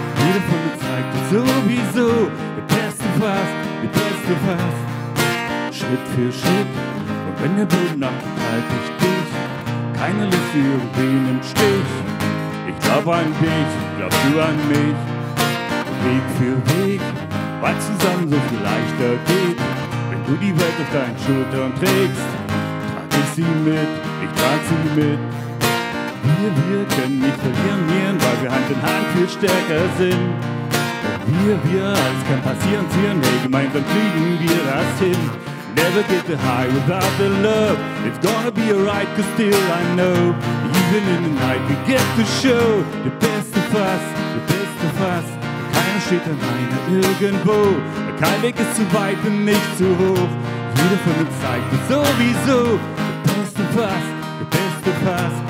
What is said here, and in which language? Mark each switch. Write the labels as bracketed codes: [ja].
[de] Jeder von uns zeigt es sowieso. [en] The best of us, the best of us. [de] Schritt für Schritt. Und wenn der Boden nackt, halt ich dich. Keine Lust irgendwen im Stich. Ich glaub an dich, glaub du an mich. Weg für Weg, weil zusammen so viel leichter geht. Wenn du die Welt auf deinen Schultern trägst, trag ich sie mit, ich trag sie mit. Wir können nicht verlieren, weil wir Hand in Hand viel stärker sind. Wir, alles kann passieren, ziehen, hey, gemeinsam kriegen wir das hin. [en] Never get the high without the low. It's gonna be alright, cause still I know. Even in the night we get to show. The best of us, the best of us. [de] Keiner steht alleine irgendwo. Kein Weg ist zu weit und nicht zu hoch. Jeder von uns zeigt es sowieso. [en] The best of us, the best of us.